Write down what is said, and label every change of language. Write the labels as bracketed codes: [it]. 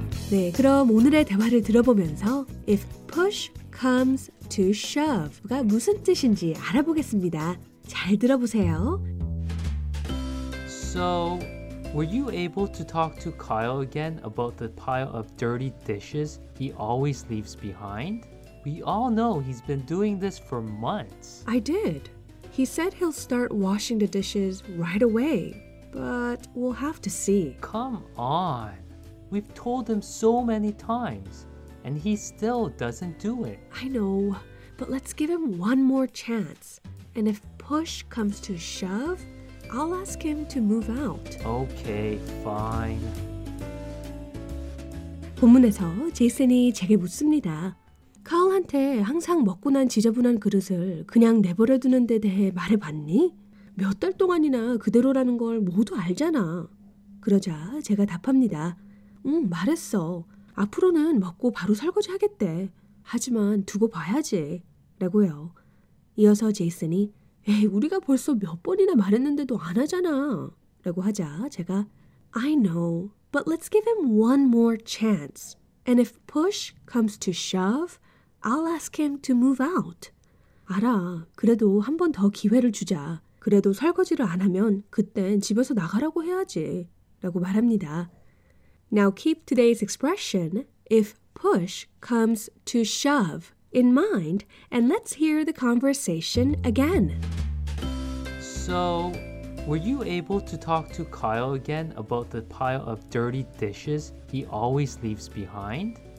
[ko] 네, 그럼 오늘의 대화를 들어보면서 [en] if push comes to shove [ko] 가 무슨 뜻인지 알아보겠습니다. 잘 들어보세요. [en] So, were you able to talk to Kyle again about the pile of dirty dishes he always leaves behind? We all know he's been doing this for months. I did. He said he'll start washing the dishes right away, but we'll have to see. Come on. We've told him so many times, and he still doesn't do it. I know, but let's give him one more chance. And if push comes to shove, I'll ask him to move out. Okay, fine. [ko] 본문에서 제이슨이 제게 묻습니다. 카울한테 항상 먹고 난 지저분한 그릇을 그냥 내버려 두는 데 대해 말해봤니? 몇 달 동안이나 그대로라는 걸 모두 알잖아. 그러자 제가 답합니다. 응, 말했어. 앞으로는 먹고 바로 설거지하겠대. 하지만 두고 봐야지. 라고요. 이어서 제이슨이 에이, 우리가 벌써 몇 번이나 말했는데도 안 하잖아. 라고 하자 제가 [en] I know, but let's give him one more chance. And if push comes to shove, I'll ask him to move out. [ko] 알아, 그래도 한 번 더 기회를 주자. 그래도 설거지를 안 하면 그땐 집에서 나가라고 해야지. 라고 말합니다. [en] Now keep today's expression, if push comes to shove, in mind, and let's hear the conversation again. So, were you able to talk to Kyle again about the pile of dirty dishes he always leaves behind?